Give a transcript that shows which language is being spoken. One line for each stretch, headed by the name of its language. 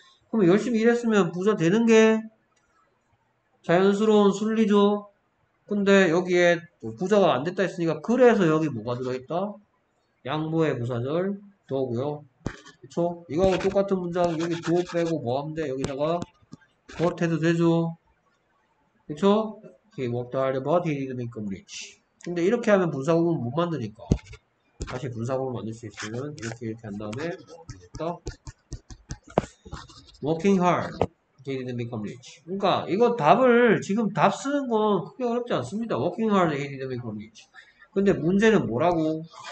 Korean: 그럼 열심히 일했으면 부자 되는 게 자연스러운 순리죠. 근데 여기에 부자가 안 됐다 했으니까 그래서 여기 뭐가 들어있다? 양보의 부사절 더고요. 그쵸? 이거하고 똑같은 문장 여기 do 빼고 뭐 하면 돼? 여기다가 but 해도 되죠. 그쵸?
English: He worked hard but he didn't become rich.
Korean: 근데 이렇게 하면 분사구문 못 만드니까 다시 분사구문 만들 수 있으면 이렇게 한 다음에 뭐 하면 됐다?
English: Working hard, he didn't become rich.
Korean: 그러니까 이거 답을 지금 답 쓰는 건 크게 어렵지 않습니다.
English: Working hard, he didn't become rich.
Korean: 근데 문제는 뭐라고?